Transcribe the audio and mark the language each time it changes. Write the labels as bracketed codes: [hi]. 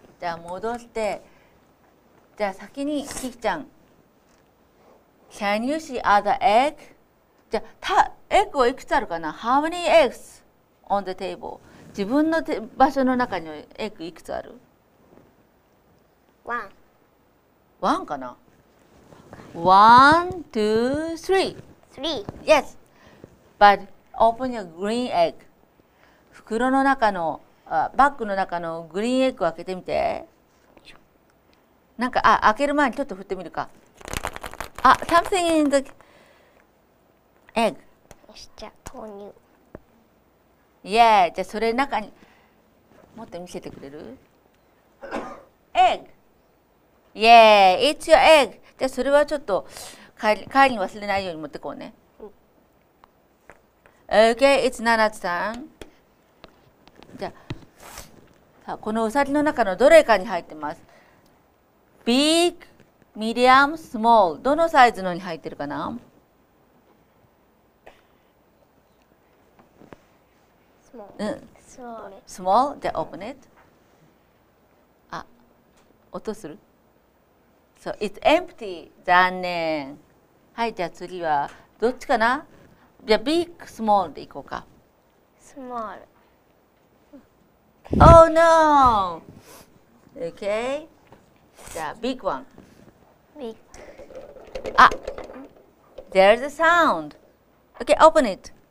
[ja] じゃあ戻って、じゃあ先にキキちゃん。 [en] Can you see other egg? [ja] じゃあ、エッグはいくつあるかな [en] ?How many eggs on the table? [ja] 自分の場所の中にエッグいくつある？ [en] One. One かな ?One, two, three. Three. Yes!But open your green egg. [ja] 袋の中のバッグの中のグリーンエッグを開けてみて。なんか、あ、開ける前にちょっと振ってみるか。 [en] あ、something in the egg。 [ja] よし、じゃあ投入。イエーイ、じゃあそれ中に持って見せてくれる？ [en] egg。イエーイ、it's your egg。 [ja] じゃあそれはちょっと帰りに忘れないように持ってこうね。 [en] OK, it's Nana's turn。 [ja] じゃあこのうさぎの中のどれかに入ってます。 [en] big, medium, small、 [ja] どのサイズのに入ってるかな。 [en] small、うん、 small、 [ja] じゃあ [en] open it。 [ja] あ、音する。 [en] so it's empty、 残念。 [ja] はい、じゃあ次はどっちかな。じゃあ、 [en] ビッグ、スモール [ja] で行こうか。 [en] スモール。 Oh, no! Okay? じゃあ、ビッグワン。ビッグ。あ、there's a sound. Okay, open it.